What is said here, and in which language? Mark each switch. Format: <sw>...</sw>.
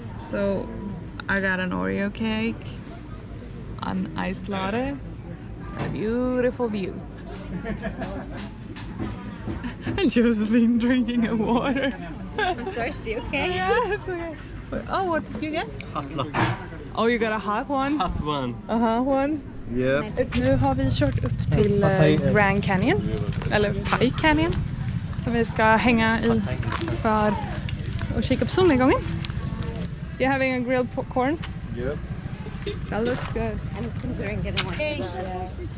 <en>So I got an Oreo cake, an iced latte, a beautiful view. And Josephine drinking a water. I'm thirsty, okay? Yeah, it's okay. Oh, what did you get? Hot latte. Oh, you got a hot one? Hot one. A hot one? Yep.</en> <sv>Nu har vi kört upp till Grand Canyon, eller Pike Canyon, som vi ska hänga i för att kika på solnedgången.</sv> <en>You having a grilled popcorn? Yep. That looks good. And things are getting more.</en>